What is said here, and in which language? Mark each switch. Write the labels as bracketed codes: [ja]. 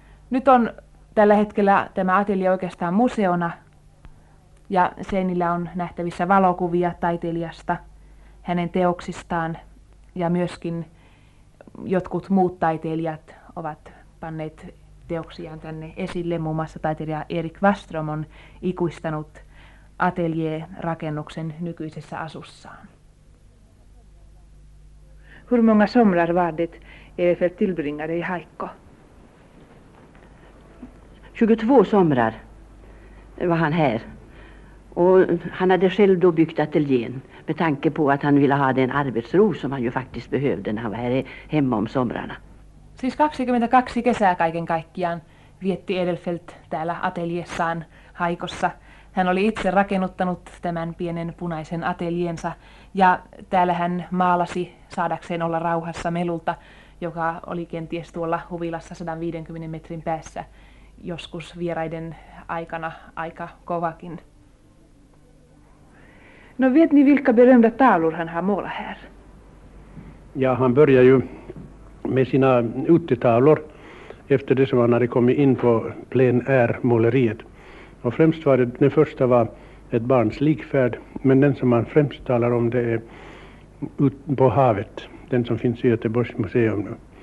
[fi] Nyt on tällä hetkellä tämä ateljee oikeastaan museona, ja seinillä on nähtävissä valokuvia taiteilijasta, hänen teoksistaan, ja myöskin jotkut muut taiteilijat ovat panneet teoksiaan tänne esille. Muun muassa taiteilija Erik Waström on ikuistanut ateljee-rakennuksen nykyisessä asussaan. [sv] Hur många somrar var det Edelfelt tillbringade i Haikko? 22 somrar var han här. Och han hade själv då byggt ateljén med tanke på att han ville ha den arbetsro som han ju faktiskt behövde när han var här hemma om somrarna. [fi] Siis 22 kesää kaiken kaikkiaan vietti Edelfelt täällä ateljessaan Haikossa. Hän oli itse rakennuttanut tämän pienen punaisen ateljeensa ja täällä hän maalasi saadakseen olla rauhassa melulta, joka oli kenties tuolla huvilassa 150 metrin päässä, joskus vieraiden aikana aika kovakin. [sv] No vet ni vilka berömda talur han har målat här? Ja, han börjar ju med sina uttetalor efter det som han hade kommit in på plein air-måleriet. Och främst var det, den första var ett barns likfärd, men den som man främst talar om det är ut på havet, den som finns i Göteborgs museum nu.